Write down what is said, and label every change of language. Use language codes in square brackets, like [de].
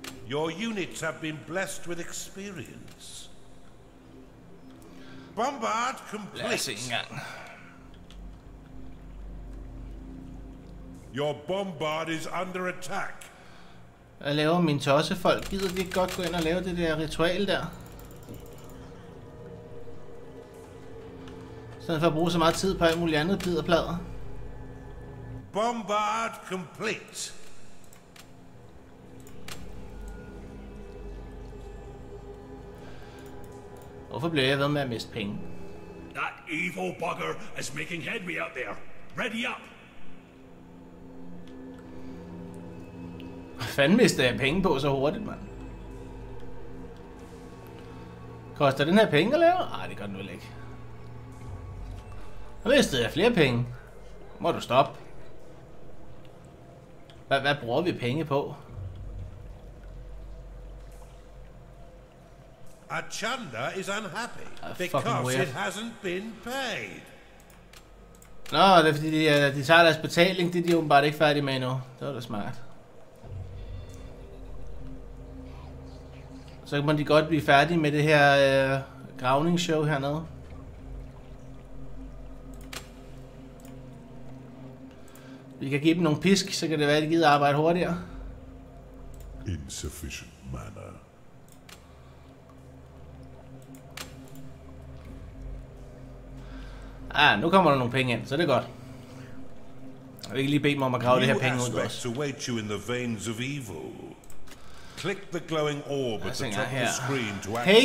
[en] Your units have been blessed with experience. Bombard complete. Your bombard is under attack. [da] Hvad laver mine tossefolk? Gider de ikke godt gå ind og lave det der ritual der? Sådan for at bruge så meget tid på alt muligt andet bid og plader. Bombard complete. Hvorfor bliver jeg ved med at miste penge? [en] That evil bugger is making headway out there. Ready up! [da] Hvad fanden mister jeg penge på så hurtigt, mand? Koster den her penge at lave? Ej, det gør den vel ikke. Nu mistede jeg flere penge. Må du stoppe? Hvad bruger vi penge på? [en] Achanda is unhappy because it hasn't been paid. [da] Nå, det er fordi de tager deres betaling. Det er de åbenbart ikke færdige med endnu. Det var da smart. Så kan man de godt blive færdige med det her gravningsshow hernede. Vi kan give dem nogle pisk, så kan det være, at de gider arbejde hurtigere. [en] Insufficient mana. [da] Ah, nu kommer der nogle penge ind, så det er godt. Jeg vil ikke lige bede mig om at grave [en] new [da] det her penge ud også. [en] Aspects await you in the veins of evil. Click the glowing orb at the top of the screen to access.